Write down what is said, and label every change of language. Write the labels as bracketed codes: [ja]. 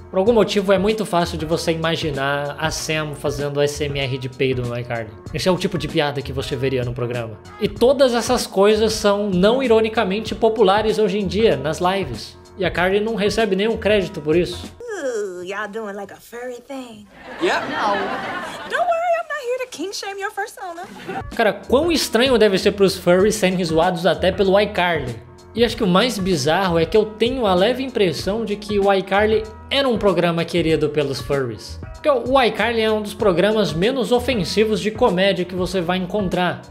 [pt] Por algum motivo é muito fácil de você imaginar a Sam fazendo ASMR de peido no iCarly. Esse é o tipo de piada que você veria no programa. E todas essas coisas são não ironicamente populares hoje em dia nas lives. E a Carly não recebe nenhum crédito por isso. [en] Y'all doing like a furry thing. Yep. No. Don't worry, I'm not here to king shame your fursona. [pt] Cara, quão estranho deve ser pros furries serem zoados até pelo iCarly. E acho que o mais bizarro é que eu tenho a leve impressão de que o iCarly era um programa querido pelos furries. Porque o iCarly é um dos programas menos ofensivos de comédia que você vai encontrar.